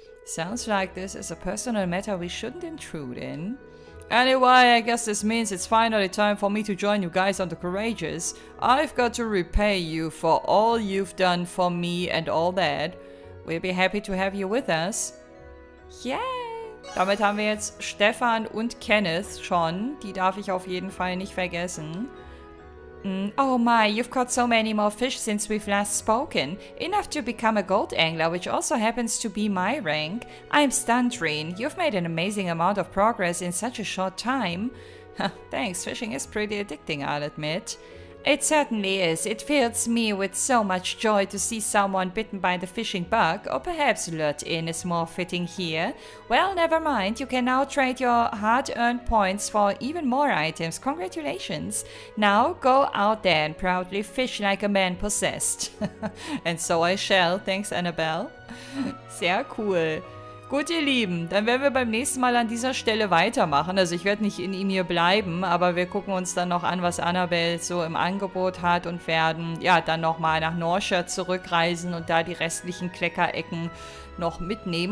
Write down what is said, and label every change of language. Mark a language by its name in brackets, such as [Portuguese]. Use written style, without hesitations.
[English] Sounds like this is a personal matter we shouldn't intrude in. Anyway, I guess this means it's finally time for me to join you guys on the Courageous. I've got to repay you for all you've done for me and all that. We'll be happy to have you with us. Yay! [German] Damit haben wir jetzt Stefan und Kenneth schon. Die darf ich auf jeden Fall nicht vergessen. [English] Oh my, you've caught so many more fish since we've last spoken. Enough to become a gold angler, which also happens to be my rank. I'm stunned, Reen. You've made an amazing amount of progress in such a short time. Thanks, fishing is pretty addicting, I'll admit. It certainly is. It fills me with so much joy to see someone bitten by the fishing bug, or perhaps lured in is more fitting here. Well, never mind. You can now trade your hard-earned points for even more items. Congratulations. Now go out there and proudly fish like a man possessed. And so I shall. Thanks, Annabelle. [German] Sehr cool. Gut, ihr Lieben, dann werden wir beim nächsten Mal an dieser Stelle weitermachen. Also ich werde nicht in ihm hier bleiben, aber wir gucken uns dann noch an, was Annabelle so im Angebot hat und werden ja dann nochmal nach Norsha zurückreisen und da die restlichen Kleckerecken noch mitnehmen.